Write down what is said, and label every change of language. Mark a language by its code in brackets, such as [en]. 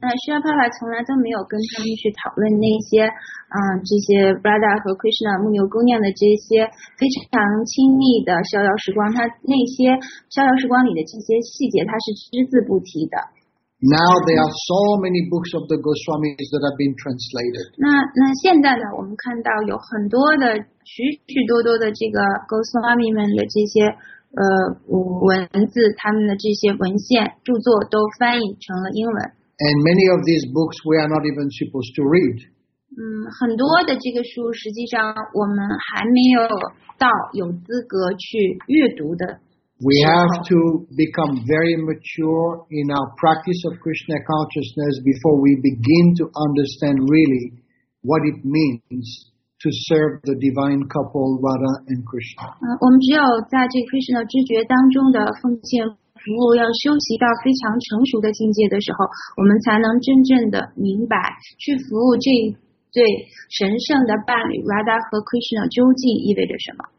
[zh] Srila Prabhupada 从来都没有跟他们去讨论那些这些 Radha 和 Krishna 牧牛姑娘的这些非常亲密的逍遥时光，他那些逍遥时光里的这些细节他是只字不提的。 [en] Now there are so many books of the Goswamis that have been translated. [zh] 那现在呢，我们看到有很多的许许多多的这个 Goswami 们的这些文字，他们的这些文献著作都翻译成了英文。 [en] And many of these books we are not even supposed to read. [zh] 很多的这个书实际上我们还没有到有资格去阅读的。 [en] We have to become very mature in our practice of Krishna consciousness before we begin to understand really what it means to serve the divine couple Radha and Krishna. [zh] 我们只有在这 Krishna 知觉当中的奉献服务要修习到非常成熟的境界的时候，我们才能真正的明白去服务这对神圣的伴侣 Radha 和 Krishna 究竟意味着什么。